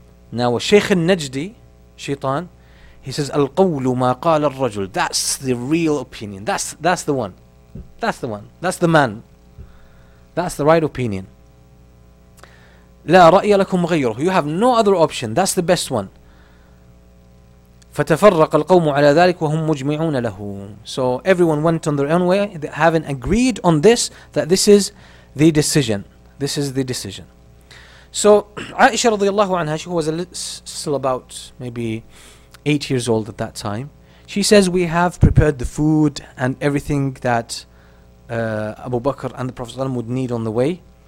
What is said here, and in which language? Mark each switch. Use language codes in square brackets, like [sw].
[en] Now, Shaykh al-Najdi, Shaitan, he says, [ar] Al-Qawlu ma qala al-Rajul. [en] That's the real opinion. That's the one. That's the one. That's the man. That's the right opinion. [ar] لا رأي لكم غيره. [en] You have no other option. That's the best one. [ar] فتفرق القوم على ذلك وهم مجمعون له. [en] So everyone went on their own way. They haven't agreed on this, that this is the decision. This is the decision. So Aisha رضي الله عنها, she was still about maybe 8 years old at that time. She says, we have prepared the food and everything that Abu Bakr and the Prophet ﷺ would need on the way.